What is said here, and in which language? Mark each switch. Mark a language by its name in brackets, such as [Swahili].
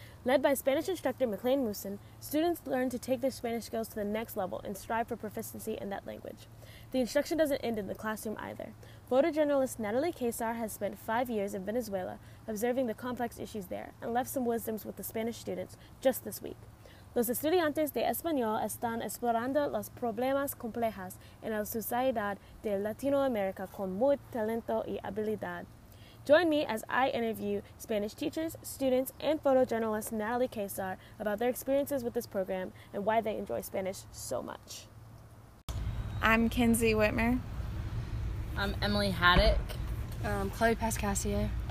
[English] Led by Spanish instructor McClain Musson, students learn to take their Spanish skills to the next level and strive for proficiency in that language. The instruction doesn't end in the classroom either. Photojournalist Natalie Keyssar has spent 5 years in Venezuela observing the complex issues there and left some wisdoms with the Spanish students just this week. [Spanish] Los estudiantes de español están explorando los problemas complejas en la sociedad de Latinoamérica con muy talento y habilidad. [English] Join me as I interview Spanish teachers, students, and photojournalist Natalie Keyssar about their experiences with this program and why they enjoy Spanish so much. I'm Kinsey Whitmer. I'm Emily Haddock. I'm Chloe Pascasio.